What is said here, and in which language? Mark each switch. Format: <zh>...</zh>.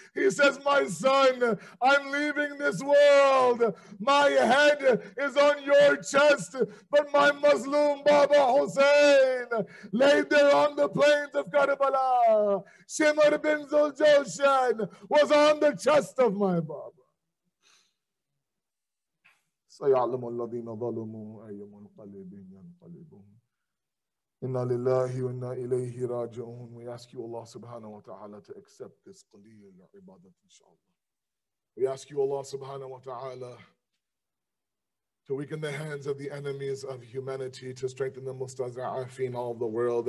<en>He says, my son, I'm leaving this world. My head is on your chest, but my Muslim Baba Hussein laid there on the plains of Karbala. Shimr bin Zuljoshan was on the chest of my Baba.</en> <ar>سيعلم الذين ظلموا أي منقلب ينقلبون إنا لله وإنا إليه راجعون.</ar> <en>We ask you, Allah subhanahu wa ta'ala, to accept this qaleel ibadat, inshallah. We ask you, Allah subhanahu wa ta'ala, to weaken the hands of the enemies of humanity, to strengthen the mustaza'afin all of the world.</en>